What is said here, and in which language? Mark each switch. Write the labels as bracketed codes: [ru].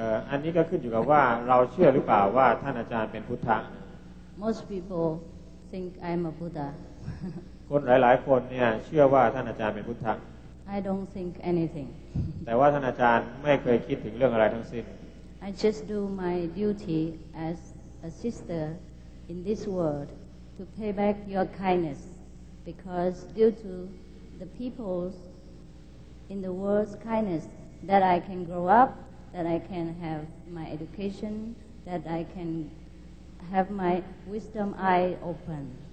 [th] อันนี้ก็ขึ้นอยู่กับว่าเราเชื่อหรือเปล่าว่าท่านอาจารย์เป็นพุทธะ [en] Most people think I'm a Buddha [th] คนหลายๆคนเนี่ยเชื่อว่าท่านอาจารย์เป็นพุทธะ [en] I don't think anything [th] แต่ว่าท่านอาจารย์ไม่เคยคิดถึงเรื่องอะไรทั้งสิ้น [en] I just do my duty as a sister in this world to pay back your kindness because due to the people's in the world's kindness that I can grow upThat I can have my education, that I can have my wisdom eye open.